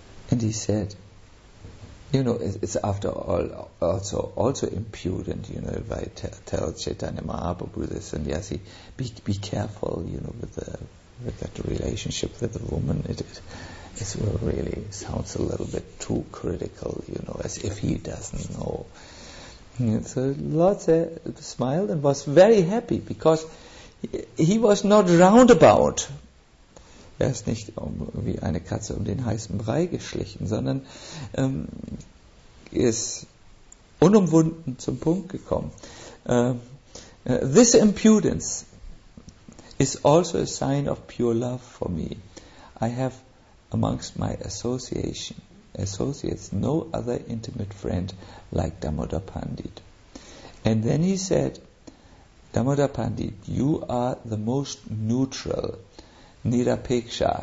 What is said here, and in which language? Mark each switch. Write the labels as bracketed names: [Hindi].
[English] And he said, you know, it's after all also impudent, you know, if I tell Chaitanya Mahaprabhu this, and yes, be careful, you know, with that relationship with the woman. It really sounds a little bit too critical, you know, as if he doesn't know. And so Lord smiled and was very happy because he was not roundabout. [German] Er ist nicht wie eine Katze um den heißen Brei geschlichen, sondern ist unumwunden zum Punkt gekommen. [English] This impudence is also a sign of pure love for me. I have amongst my associates no other intimate friend like Damodar Pandit. And then he said, Damodar Pandit, you are the most neutral. Nirapeksha.